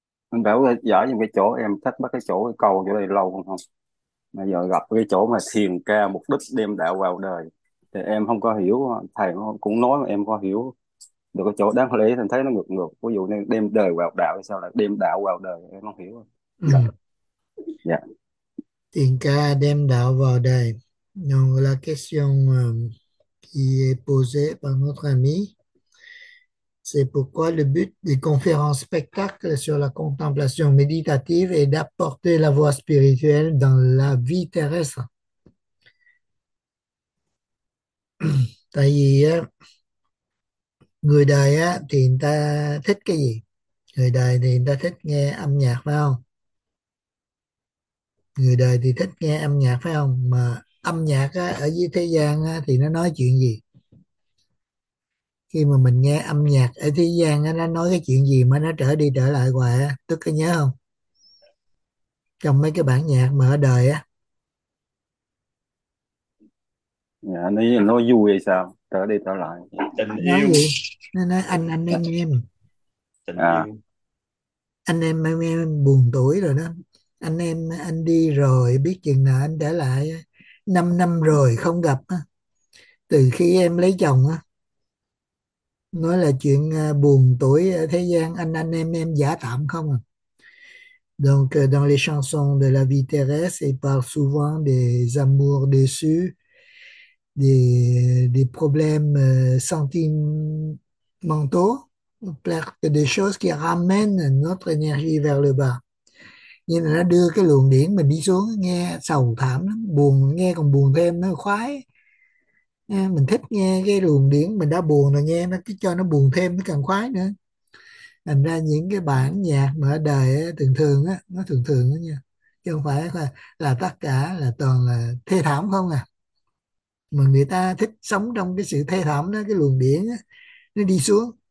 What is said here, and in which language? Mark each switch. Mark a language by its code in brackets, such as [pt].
[vi] Anh Bảo là giỏi những cái chỗ em thắc mắc, cái chỗ cái câu chỗ này lâu không mà giờ gặp cái chỗ mà thiền ca mục đích đem đạo vào đời thì em không có hiểu, thầy cũng nói mà em có hiểu được cái chỗ, đáng lẽ thành thấy nó ngược ngược, ví dụ nên đem đời vào đạo thì sao lại đem đạo vào đời, em không hiểu. Dạ. Thiền ca đem đạo vào đời. [fr] Donc la question qui est posée par notre ami, c'est pourquoi le but des conférences spectacles sur la contemplation méditative est d'apporter la voie spirituelle dans la vie terrestre. [vi] Tại vì người đời thì người ta thích cái gì? Người đời thì người ta thích nghe âm nhạc phải không? Người đời thì thích nghe âm nhạc phải không? Mà âm nhạc ở dưới thế gian thì nó nói chuyện gì? Khi mà mình nghe âm nhạc ở thế gian nó nói cái chuyện gì mà nó trở đi trở lại hoài á, tức có nhớ không? Trong mấy cái bản nhạc mà ở đời á. Dạ, yeah, nó vui hay sao? Trở đi trở lại. Tình Nói yêu. gì? Nó nói anh em. Tình yêu. Anh em buồn tuổi rồi đó. Anh đi rồi, biết chừng nào anh để lại. 5 năm rồi không gặp, từ khi em lấy chồng. Nói là chuyện buồn tuổi ở thế gian, anh em giả tạm không. [fr] Donc dans les chansons de la vie terrestre, il parle souvent des amours déçus, des problèmes sentimentaux, des choses qui ramènent notre énergie vers le bas. [vi] Như là nó đưa cái luồng điển mình đi xuống, nghe sầu thảm lắm, buồn, nghe còn buồn thêm, nó khoái. À, mình thích nghe cái luồng điển mình đã buồn rồi nghe nó cứ cho nó buồn thêm nó càng khoái nữa. Thành ra những cái bản nhạc mà ở đời ấy, thường thường á, nó thường thường đó nha, chứ không phải là tất cả là toàn là thê thảm không à, mà người ta thích sống trong cái sự thê thảm đó, cái luồng điển đó, nó đi xuống.